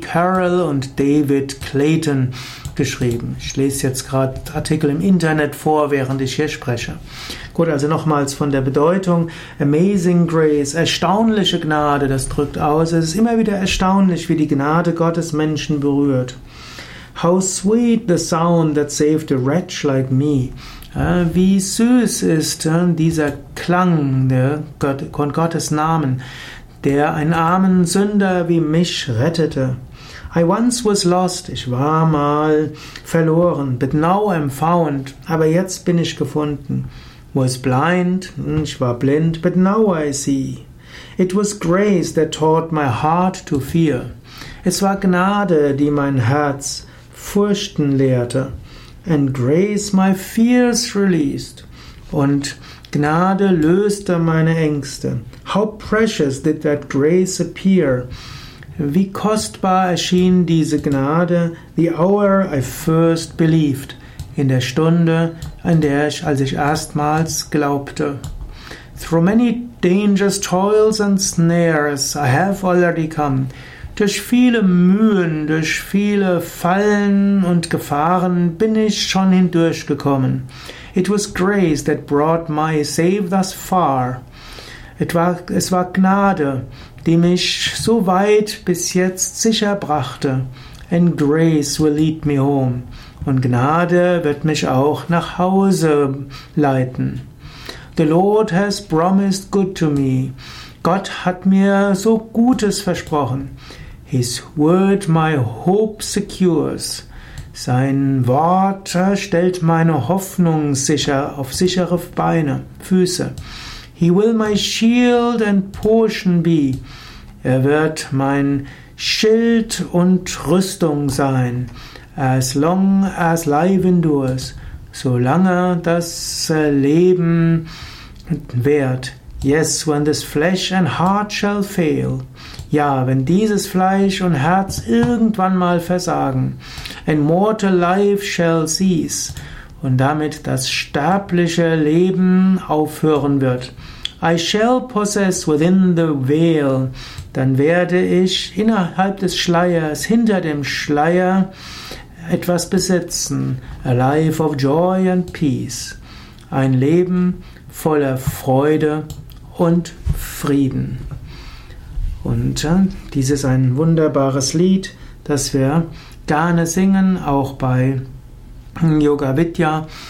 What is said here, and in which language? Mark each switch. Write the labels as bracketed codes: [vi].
[de] Carroll und David Clayton geschrieben. Ich lese jetzt gerade Artikel im Internet vor, während ich hier spreche. Gut, also nochmals von der Bedeutung. Amazing Grace, erstaunliche Gnade, das drückt aus. Es ist immer wieder erstaunlich, wie die Gnade Gottes Menschen berührt. [en] How sweet the sound that saved a wretch like me. [de] Wie süß ist dieser Klang von Gottes Namen, der einen armen Sünder wie mich rettete. [en] I once was lost, [de] ich war mal verloren, [en] but now I'm found, [de] aber jetzt bin ich gefunden. [en] Was blind, [de] ich war blind, [en] but now I see. It was grace that taught my heart to fear. [de] Es war Gnade, die mein Herz fürchten lehrte. [en] And grace my fears released. [de] Und Gnade löste meine Ängste. [en] How precious did that grace appear. [de] Wie kostbar erschien diese Gnade, [en] the hour I first believed, [de] in der Stunde, als ich erstmals glaubte. [en] Through many dangers, toils and snares I have already come. [de] durch viele Mühen, durch viele Fallen und Gefahren bin ich schon hindurchgekommen. [en] It was grace that brought my save thus far. [de] Es war Gnade, die mich so weit bis jetzt sicher brachte. [en] And grace will lead me home. [de] Und Gnade wird mich auch nach Hause leiten. [en] The Lord has promised good to me. [de] Gott hat mir so Gutes versprochen. [en] His word my hope secures. [de] Sein Wort stellt meine Hoffnung sicher auf sichere Beine, Füße. [en] He will my shield and portion be. [de] Er wird mein Schild und Rüstung sein. [en] As long as life endures. [de] Solange das Leben währt. [en] Yes, when this flesh and heart shall fail. [de] Ja, wenn dieses Fleisch und Herz irgendwann mal versagen. [en] And mortal life shall cease. [de] Und damit das sterbliche Leben aufhören wird. [en] I shall possess within the veil. [de] Dann werde ich innerhalb des Schleiers, hinter dem Schleier, etwas besitzen. [en] A life of joy and peace. [de] Ein Leben voller Freude und Frieden. Und dies ist ein wunderbares Lied, das wir gerne singen, auch bei Yoga Vidya.